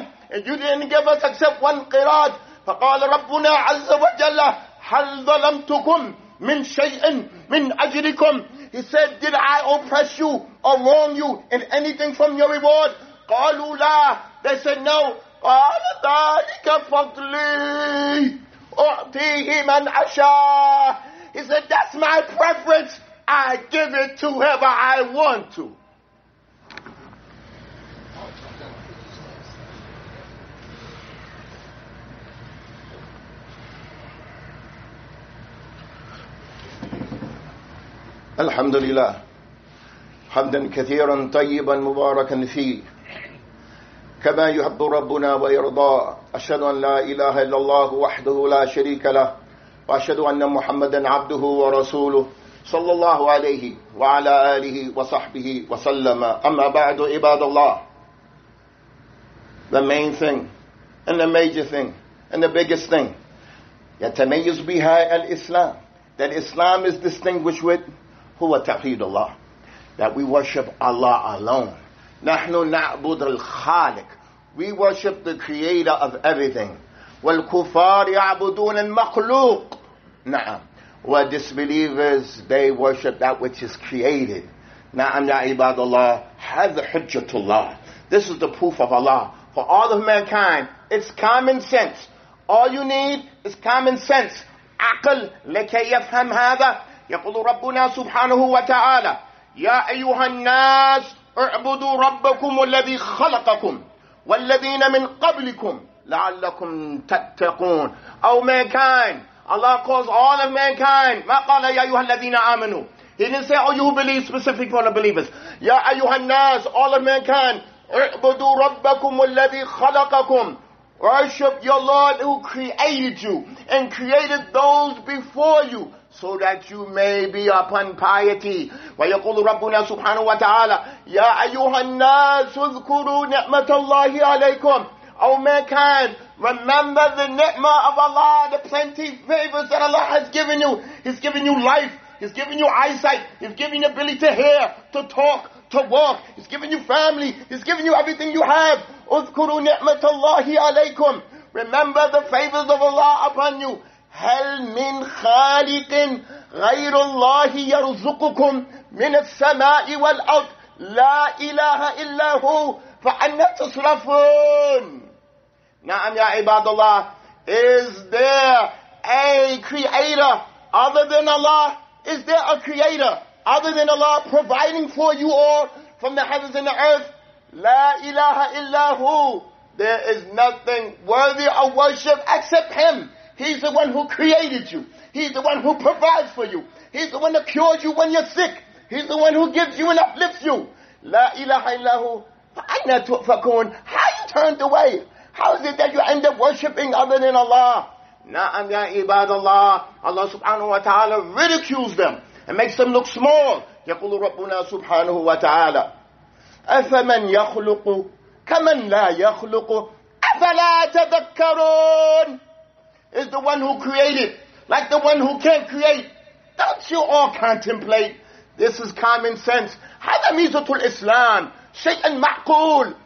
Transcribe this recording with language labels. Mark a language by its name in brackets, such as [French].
[English] And you didn't give us except one qirat. [Arabic] فقال ربنا عز وجل هل ظلمتكم من شيء من أجركم. [English] He said, did I oppress you or wrong you in anything from your reward? [Arabic] قالوا لا. [English] They said no. [Arabic] قال ذلك فضلي أعطيه من أشاء. [English] He said, that's my preference. I give it to whoever I want to. [Arabic] الحمد لله حمدا كثيرا طيبا مباركا فيه كما يحب ربنا ويرضى. أشهد أن لا إله إلا الله وحده لا شريك له وأشهد أن محمدا عبده ورسوله صلى الله عليه وعلى آله وصحبه وسلم. أما بعد عباد الله, [English] the main thing and the major thing and the biggest thing [Arabic] يتميز بها الإسلام, [English] that Islam is distinguished with, [Arabic] هو تعهيد الله, [English] that we worship Allah alone. [Arabic] نحن نعبد الخالق, [English] we worship the creator of everything. [Arabic] والكفار يعبدون المخلوق. نعم. [English] Where disbelievers, they worship that which is created. [Arabic] نعم يا عباد الله, هذا حجة الله. [English] This is the proof of Allah. For all of mankind, it's common sense. All you need is common sense. [Arabic] عقل لكي يفهم هذا. يقول ربنا سبحانه وتعالى يا أيها الناس اعبدوا ربكم الذي خلقكم والذين من قبلكم لعلكم تتقون. [English] Oh mankind, Allah calls all of mankind. [Arabic] ما قال يا أيها الذين آمنوا. [English] He didn't say, oh you who believe, specific for the believers. [Arabic] يا أيها الناس, [English] all of mankind, [Arabic] اعبدوا ربكم الذي خلقكم. [English] Worship your Lord who created you and created those before you so that you may be upon piety. [Arabic] ويقول ربنا سبحانه وتعالى يا أيها الناس اذكروا نعمة الله عليكم. [English] O mankind, remember the ni'mah of Allah, the plenty favors that Allah has given you. He's given you life. He's given you eyesight. He's given you ability to hear, to talk, to walk. He's given you family. He's given you everything you have. [Arabic] اذكروا نعمة الله عليكم. [English] Remember the favors of Allah upon you. [Arabic] هل من خالق غير الله يرزقكم من السماء والأرض لا إله إلا هو فأنا تصرفون. نعم يا عباد الله. [English] Is there a creator other than Allah? Is there a creator other than Allah providing for you all from the heavens and the earth? [Arabic] لا إله إلا هو. [English] There is nothing worthy of worship except Him. He's the one who created you. He's the one who provides for you. He's the one that cures you when you're sick. He's the one who gives you and uplifts you. [Arabic] لا إله إلا هو. فأين تؤفكون. [English] How you turned away? How is it that you end up worshiping other than Allah? نعم يا عباد الله. Allah subhanahu wa ta'ala ridicules them and makes them look small. [Arabic] يقول ربنا سبحانه وتعالى أفمن يخلق كمن لا يخلق أفلا تذكرون. [English] Is the one who created like the one who can't create? Don't you all contemplate? This is common sense. [Arabic] هذا ميزة الإسلام شيء معقول.